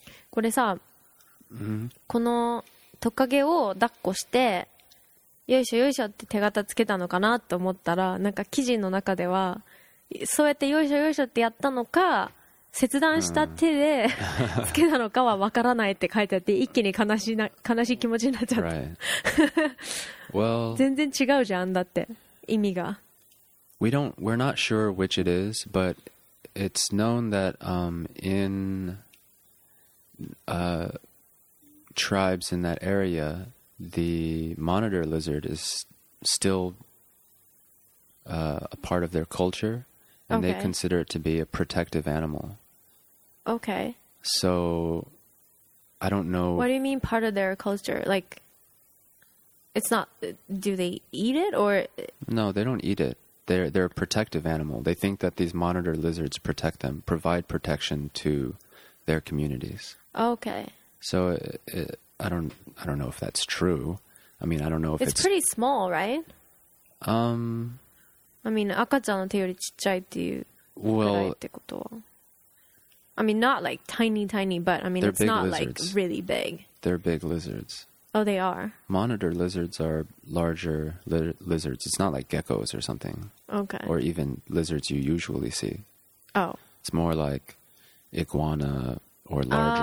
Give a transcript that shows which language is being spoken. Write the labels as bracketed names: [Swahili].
[Japanese] これさ、このトカゲを抱っこして、よいしょよいしょって手形つけたのかなと思ったら、なんか記事の中では、そうやってよいしょよいしょってやったのか、切断した手でつけたのかは分からないって書いてあって、一気に悲しい気持ちになっちゃった。 [English] Right. Well, [Japanese] 全然違うじゃん、だって。 [English] We're not sure which it is, but it's known that tribes in that area, the monitor lizard is still a part of their culture, and okay. they consider it to be a protective animal. Okay. So I don't know. What do you mean part of their culture? Like... It's not, do they eat it or? No, they don't eat it. They're a protective animal. They think that these monitor lizards protect them, provide protection to their communities. Okay. So I don't know if that's true. I mean, I don't know if it's pretty small, right? I mean, [Japanese] 赤ちゃんの手よりちっちゃいっていう。 [English] Well, [Japanese] ってこと。 [English] I mean, not like tiny, tiny, but I mean, it's not like really big. They're big lizards. Oh, they are. Monitor lizards are larger lizards. It's not like geckos or something. Okay. Or even lizards you usually see. Oh. It's more like iguana or larger.